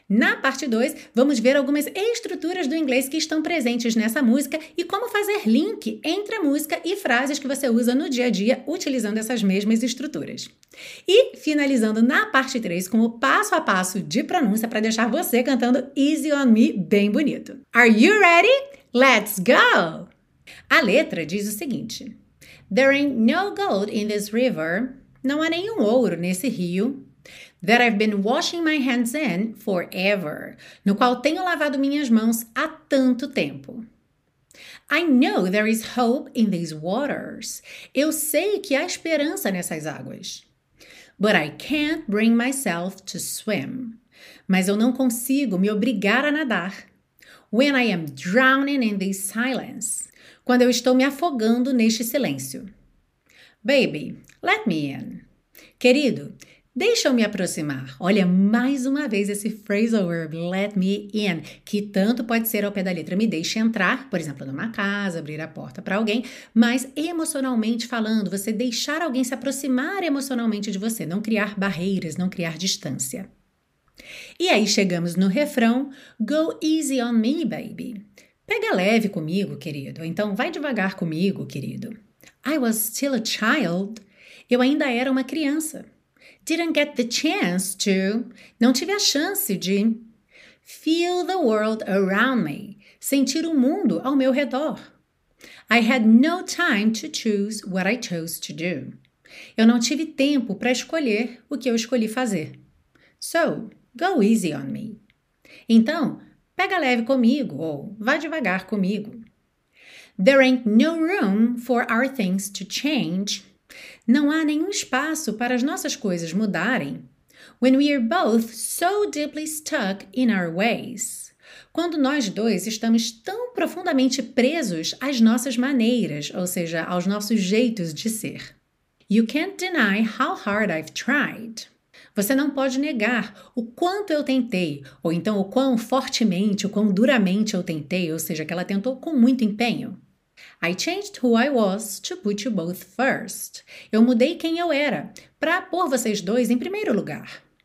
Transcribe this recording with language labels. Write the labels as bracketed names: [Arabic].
[Portuguese] Na parte 2, vamos ver algumas estruturas do inglês que estão presentes nessa música e como fazer link entre a música e frases que você usa no dia a dia utilizando essas mesmas estruturas. E finalizando na parte 3 com o passo a passo de pronúncia para deixar você cantando Easy on Me bem bonito. [English] Are you ready? Let's go! [Portuguese] A letra diz o seguinte. [English] There ain't no gold in this river. [Portuguese] Não há nenhum ouro nesse rio. [English] That I've been washing my hands in forever. [Portuguese] No qual tenho lavado minhas mãos há tanto tempo. [English] I know there is hope in these waters. [Portuguese] Eu sei que há esperança nessas águas. [English] But I can't bring myself to swim. [Portuguese] Mas eu não consigo me obrigar a nadar. [English] When I am drowning in this silence. [Portuguese] Quando eu estou me afogando neste silêncio. [English] Baby, let me in. [Portuguese] Querido, deixa eu me aproximar. Olha mais uma vez esse phrasal verb, let me in, que tanto pode ser ao pé da letra me deixe entrar, por exemplo, numa casa, abrir a porta para alguém, mas emocionalmente falando, você deixar alguém se aproximar emocionalmente de você, não criar barreiras, não criar distância. E aí chegamos no refrão, [English] go easy on me, baby. [Portuguese] Pega leve comigo, querido. Então, vai devagar comigo, querido. [English] I was still a child. [Portuguese] Eu ainda era uma criança. [English] Didn't get the chance to. [Portuguese] Não tive a chance de. [English] Feel the world around me. [Portuguese] Sentir o mundo ao meu redor. [English] I had no time to choose what I chose to do. [Portuguese] Eu não tive tempo para escolher o que eu escolhi fazer. [English] So, go easy on me. [Portuguese] Então, pega leve comigo, ou vá devagar comigo. [English] There ain't no room for our things to change. [Portuguese] Não há nenhum espaço para as nossas coisas mudarem. [English] When we are both so deeply stuck in our ways. [Portuguese] Quando nós dois estamos tão profundamente presos às nossas maneiras, ou seja, aos nossos jeitos de ser. [English] You can't deny how hard I've tried. [Portuguese] Você não pode negar o quanto eu tentei, ou então o quão fortemente, o quão duramente eu tentei, ou seja, que ela tentou com muito empenho. [English] I changed who I was to put you both first. [Portuguese] Eu mudei quem eu era para pôr vocês dois em primeiro lugar.